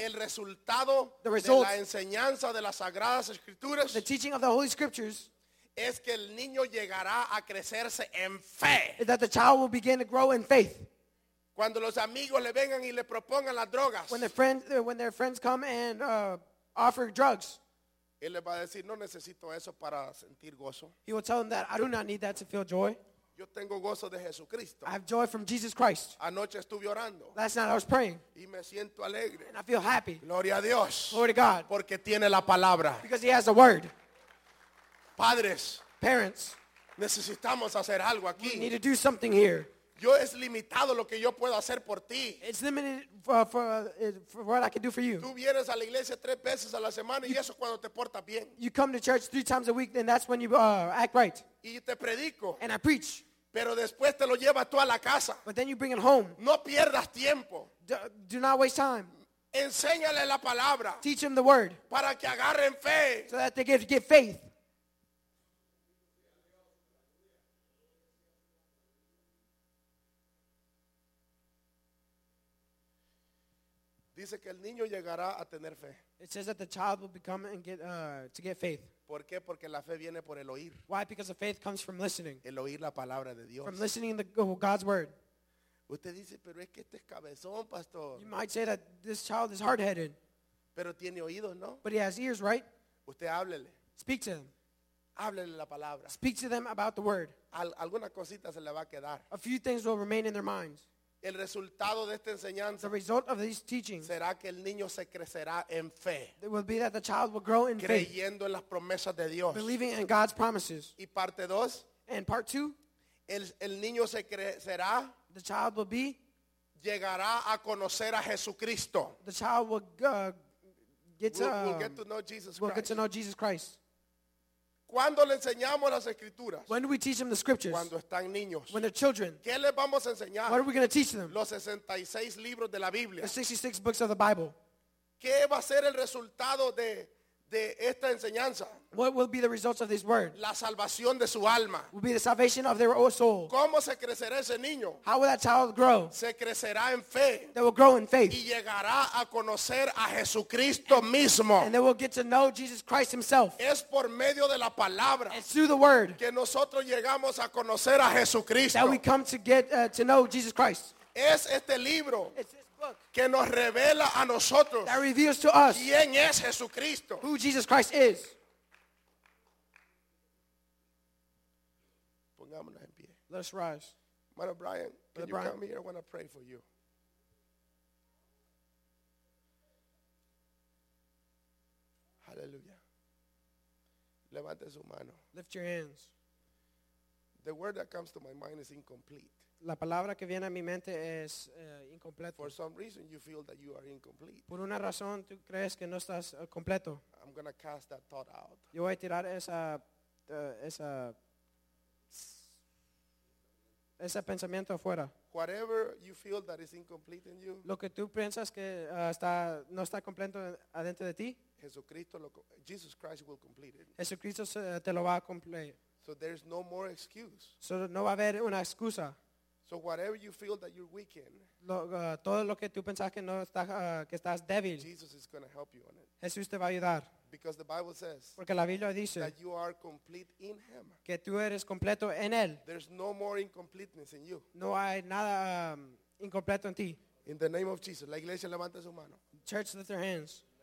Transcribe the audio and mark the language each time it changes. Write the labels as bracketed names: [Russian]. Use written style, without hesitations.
[Spanish] El resultado de la enseñanza de las sagradas escrituras, [English] the teaching of the Holy Scriptures, [Spanish] es que el niño llegará a crecerse en fe. [English] Is that the child will begin to grow in faith. [Spanish] Cuando los amigos le vengan y le propongan las drogas, [English] when their friends come and offer drugs, [Spanish] él le va a decir, no necesito eso para sentir gozo. [English] He will tell them that I do not need that to feel joy. [Spanish] Yo tengo gozo de Jesucristo. [English] I have joy from Jesus Christ. [Spanish] Anoche estuve orando. [English] Last night I was praying. [Spanish] Y me siento alegre. [English] And I feel happy. [Spanish] Gloria a Dios. [English] Glory to God. [Spanish] Porque tiene la palabra. [English] Because he has the word. [Spanish] Padres. [English] Parents. [Spanish] Necesitamos hacer algo aquí. [English] We need to do something here. [Spanish] Yo es limitado lo que yo puedo hacer por ti. [English] It's limited for what I can do for you. [Spanish] Tú vienes a la iglesia tres veces a la semana y eso es cuando te portas bien. [English] You come to church three times a week and that's when you act right. [Spanish] Y te predico. [English] And I preach. [Spanish] Pero después te lo llevas tú a la casa. [English] But then you bring it home. [Spanish] No pierdas tiempo. [English] Do not waste time. [Spanish] Enséñale la palabra. [English] Teach him the word. [Spanish] Para que agarren fe. [English] So that they get faith. [Spanish] Dice que el niño llegará a tener fe. [English] It says that the child will become and get to get faith. [Spanish] ¿Por qué? Porque la fe viene por el oír. [English] Why? Because the faith comes from listening. [Spanish] El oír la palabra de Dios. [English] From listening to God's word. [Spanish] Usted dice, pero es que este es cabezón, pastor. [English] You might say that this child is hard-headed. [Spanish] Pero tiene oídos, ¿no? [English] But he has ears, right? [Spanish] Usted háblele. [English] Speak to them. [Spanish] Háblele la palabra. [English] Speak to them about the word. [Spanish] Alguna cosita se le va a quedar. [English] A few things will remain in their minds. [Spanish] El resultado de esta enseñanza, [English] the result of these teachings, [Spanish] será que el niño se crecerá en fe. [English] It will be that the child will grow in [Spanish] creyendo [English] faith. [Spanish] Creyendo en las promesas de Dios. [English] Believing in God's promises. [Spanish] Y parte dos. [English] And part two. [Spanish] El niño se crecerá. [English] The child will be. [Spanish] Llegará a conocer a Jesucristo. [English] The child will get to know Jesus Christ. [Spanish] ¿Cuándo le enseñamos las escrituras? [English] When do we teach them the scriptures? [Spanish] Cuando están niños. [English] When they're children. [Spanish] ¿Qué les vamos a enseñar? [English] What are we going to teach them? [Spanish] Los 66 libros de la Biblia. [English] The 66 books of the Bible. [Spanish] ¿Qué va a ser el resultado de esta enseñanza? [English] What will be the results of this word? [Spanish] La salvación de su alma. [English] Will be the salvation of their soul. [Spanish] ¿Cómo se crecerá ese niño? [English] How will that child grow? [Spanish] Se crecerá en fe. [English] They will grow in faith. [Spanish] Y llegará a conocer a Jesucristo mismo. [English] And they will get to know Jesus Christ himself. [Spanish] Es por medio de la palabra. [English] It's through the word. [Spanish] Que nosotros llegamos a conocer a Jesucristo. [English] That we come to get to know Jesus Christ. [Spanish] Es este libro. [English] It's this [Spanish] que nos revela a nosotros [English] that reveals to us [Spanish] quién es Jesucristo. [English] Who Jesus Christ is. [Spanish] Pongámonos en pie. [English] Let's rise. Brother Brian, can you come here? I want to pray for you. [Spanish] Hallelujah. Levante su mano. [English] Lift your hands. The word that comes to my mind is incomplete. [Spanish] La palabra que viene a mi mente es incompleto. [English] For some reason you feel that you are incomplete. [Spanish] Por una razón tú crees que no estás completo. [English] I'm going to cast that thought out. [Spanish] Yo voy a tirar ese pensamiento afuera. [English] Whatever you feel that is incomplete in you. [Spanish] Lo que tú piensas que no está completo adentro de ti. [English] Jesus Christ will complete it. [Spanish] Jesucristo te lo va a cumplir. [English] So there's no more excuse. [Spanish] So no va a haber una excusa. [English] So whatever you feel that you're weak in. [Spanish] Todo lo que tú piensas que no está que estás débil. [English] Jesus is going to help you on it. [Spanish] Jesús te va a ayudar. [English] Because the Bible says. [Spanish] Porque la Biblia dice. [English] That you are complete in Him. [Spanish] Que tú eres completo en él. [English] There's no more incompleteness in you. [Spanish] No hay nada incompleto en ti. [English] In the name of Jesus, [Spanish] la iglesia levanta su mano. [English] Church, lift your hands.